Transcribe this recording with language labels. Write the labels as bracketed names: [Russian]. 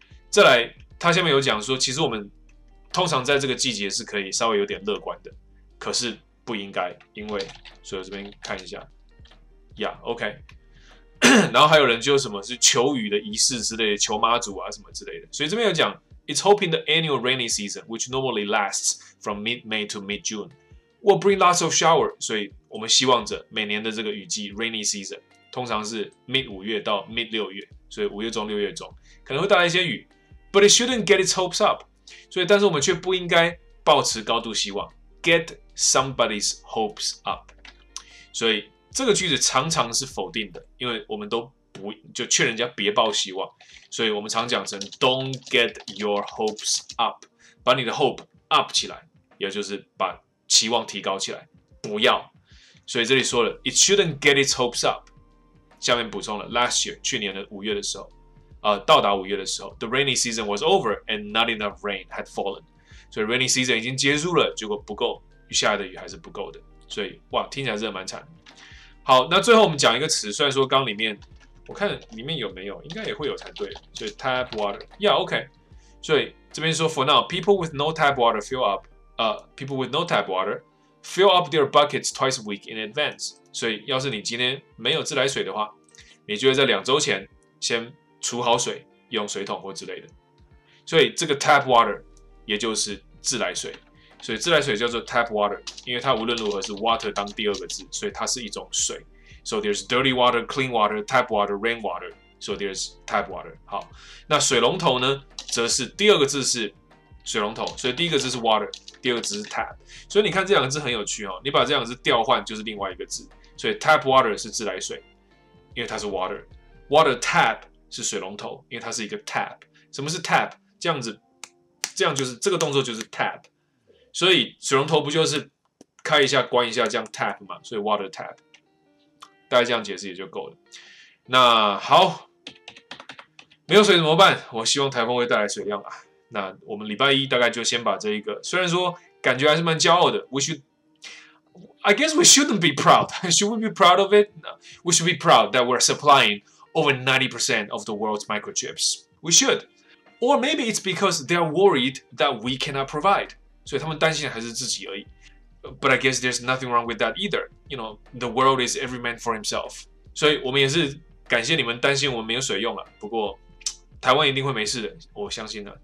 [Chinese] 再来，他下面有讲说，其实我们通常在这个季节是可以稍微有点乐观的，可是不应该，因为所以我这边看一下，OK， 然后还有人就什么是求雨的仪式之类的，求妈祖啊什么之类的，所以这边有讲 [English] It's hoping the annual rainy season, which normally lasts from mid-May to mid-June, will bring lots of shower. [Chinese] 所以我们希望着每年的这个雨季 rainy season 通常是 mid 五月到 mid 六月，所以五月中六月中可能会带来一些雨。 [English] But it shouldn't get its hopes up. [Chinese] 所以但是我们却不应该抱持高度希望。 [English] Get somebody's hopes up. [Chinese] 所以这个句子常常是否定的，因为我们都不就劝人家别抱希望，所以我们常讲成 [English] "Don't get your hopes up"， [Chinese] 把你的 hope up 起来，也就是把期望提高起来，不要。所以这里说了 [English] "It shouldn't get its hopes up"， [Chinese] 下面补充了 "Last year 去年的五月的时候，到达五月的时候 ， [English] the rainy season was over and not enough rain had fallen， [Chinese] 所以 rainy season 已经结束了，结果不够，下来的雨还是不够的。所以哇，听起来真的蛮惨。好，那最后我们讲一个词，虽然说刚里面。我看里面有没有，应该也会有才对。所以 tap water， yeah， OK。所以这边说 [English] for now， people with no tap water fill up， people with no tap water fill up their buckets twice a week in advance。 [Chinese] 所以要是你今天没有自来水的话，你就会在两周前先储好水，用水桶或之类的。所以这个 tap water 也就是自来水，所以自来水叫做 tap water， 因为它无论如何是 water 当第二个字，所以它是一种水。 [English] So there's dirty water, clean water, tap water, rain water. So there's tap water. [Chinese] 好，那水龙头呢，则是第二个字是水龙头，所以第一个字是 water， 第二个字是 tap。所以你看这两个字很有趣哦，你把这两个字调换就是另外一个字。所以 tap water 是自来水，因为它是 water。Water tap 是水龙头，因为它是一个 tap。什么是 tap？这样子，这样就是这个动作就是 tap。所以水龙头不就是开一下关一下这样 tap 嘛？所以 water tap。大概这样解释也就够了。那好，没有水怎么办？我希望台风会带来水量啊。那我们礼拜一大概就先把这一个，虽然说感觉还是蛮骄傲的。 [English] We should, I guess we shouldn't be proud. Should we be proud of it? No. We should be proud that we're supplying over 90% of the world's microchips. We should. Or maybe it's because they're worried that we cannot provide. [Chinese] 所以他们担心的还是自己而已。 [English] But I guess there's nothing wrong with that either. You know, the world is every man for himself. [Chinese] 所以我们也是感谢你们担心我们没有水用了。不过台湾一定会没事的，我相信的。